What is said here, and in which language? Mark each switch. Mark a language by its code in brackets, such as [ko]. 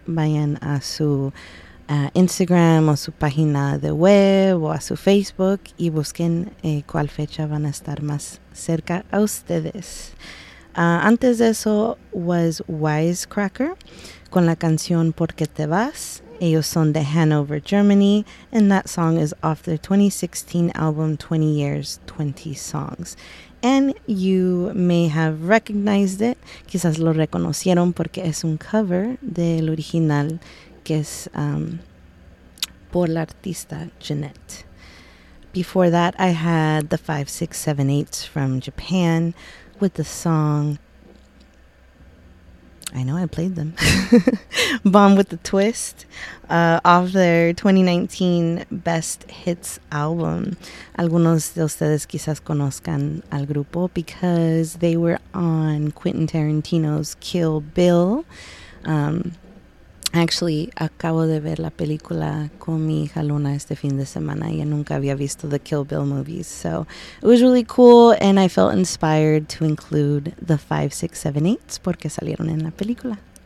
[es] Vayan a su Instagram o su página de web o a su Facebook y busquen cuál fecha van a estar más cerca a ustedes. Antes de eso was Wisecracker con la canción ¿Por qué te vas? Ellos son de [en] Hanover, Germany, and that song is off their 2016 album 20 Years, 20 Songs. And you may have recognized it, [es] quizás lo reconocieron porque es un cover del original que es por la artista Jeanette. [en] Before that, I had the 5678s from Japan with the song, I know I played them, Bomb with the Twist, off their 2019 Best Hits album. [es] Algunos de ustedes quizás conozcan al grupo [en] because they were on Quentin Tarantino's Kill Bill. [es] Actually, acabo de ver la película con mi hija Luna este fin de semana. Ella nunca había visto the Kill Bill movies. [en] So it was really cool, and I felt inspired to include the 5678s [es] porque salieron en la película.